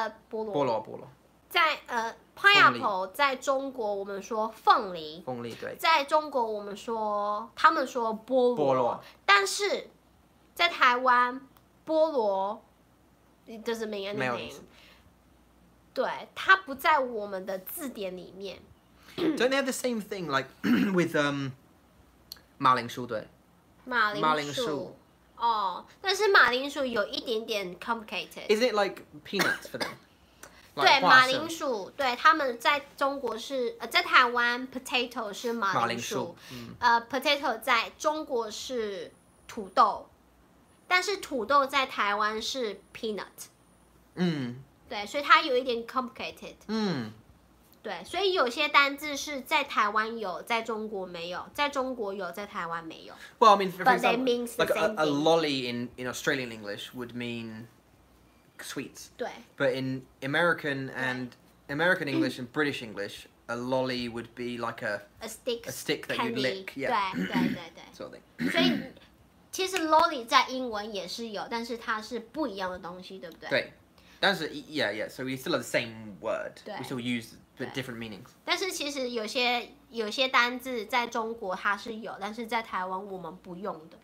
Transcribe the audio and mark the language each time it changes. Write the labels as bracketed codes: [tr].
[zh] 菠萝。在pineapple 在中国我们说凤梨。凤梨对。在中国我们说他们说菠萝。但是在台湾菠萝。 [en] It doesn't mean anything. [zh] 对，它不在我们的字典里面。 [en] Don't they have the same thing like with 马铃薯对？ [zh] 马铃薯。哦，但是马铃薯有一点点 complicated. [en] Is it like peanuts for them? [zh] 对，马铃薯，对，他们在中国是在台湾 potato 是马铃薯，potato 在中国是土豆。但是土豆在台湾是 peanut， 对，所以它有一点 complicated， 对，所以有些单字是在台湾有，在中国没有，在中国有，在台湾没有。 [en] Well, I mean, for example, but they mean the like same a lolly in Australian English would mean sweets， [zh] 对 [en] ，but in American and American English and British English, a lolly would be like a stick that you'd lick， yeah，对， sort of thing. [zh] 所以其实 lolly 在英文也是有，但是它是不一样的东西，对不对？对，但是 [en] yeah yeah, so we still have the same word. We still use but different meanings. [zh] 但是其实有些单字在中国它是有，但是在台湾我们不用的。